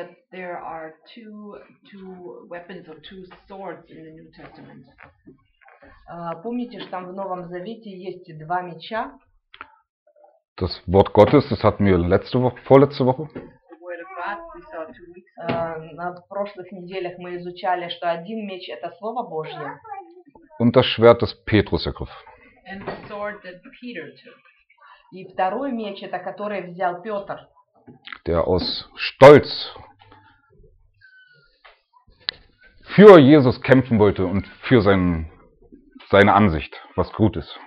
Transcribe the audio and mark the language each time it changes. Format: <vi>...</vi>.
<en>There are two weapons or two swords in the New Testament.</en> <ru>Помните, что там в Новом Завете есть два меча?</ru> <de>Das Wort Gottes, das hatten wir letzte Woche, vorletzte Woche.</de> <en>The Word of God, we saw 2 weeks ago.</en> <ru>На прошлых неделях мы изучали, что один меч это Слово Божье.</ru> <de>Und das Schwert, das Petrus ergriff.</de> <en>And the sword that Peter took.</en> <ru>И второй меч это который взял Петр.</ru> <de>Der aus Stolz für Jesus kämpfen wollte und für seine Ansicht, was gut ist.</de>